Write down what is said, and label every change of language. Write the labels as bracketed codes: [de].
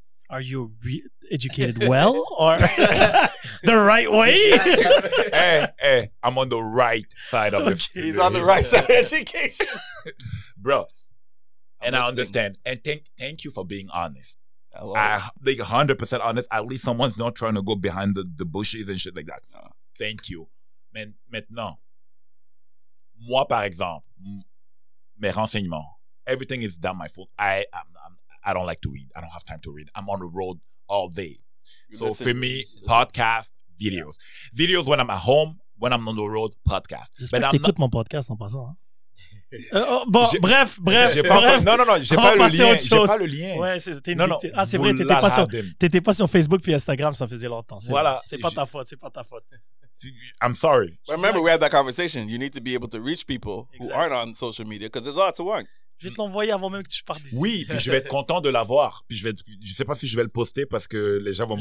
[en] Are you educated well or the right way? Hey, I'm on the right side of it. Okay. He's on the right side of education. Bro, I understand. And thank you for being honest. I'm like 100% honest. At least someone's not trying to go behind the bushes and shit like that. No. Thank you. [fr] Maintenant, moi, par exemple, mes renseignements, [en] everything is down my phone. I don't like to read. I don't have time to read. I'm on the road all day. Podcast, videos. Yeah. Videos when I'm at home, when I'm on the road, podcast. [fr] J'espère que t'écoutes mon podcast en passant. Hein? bref. J'ai pas le lien. Ouais, t'étais pas sur Facebook puis Instagram, ça faisait longtemps. C'est pas ta faute. [en] I'm sorry. But remember, we had that conversation. You need to be able to reach people who aren't on social media because there's a lot to work. [fr] Je vais te l'envoyer avant même que tu partes d'ici. Oui, puis je vais être content de l'avoir. Puis je sais pas si je vais le poster parce que les gens vont me.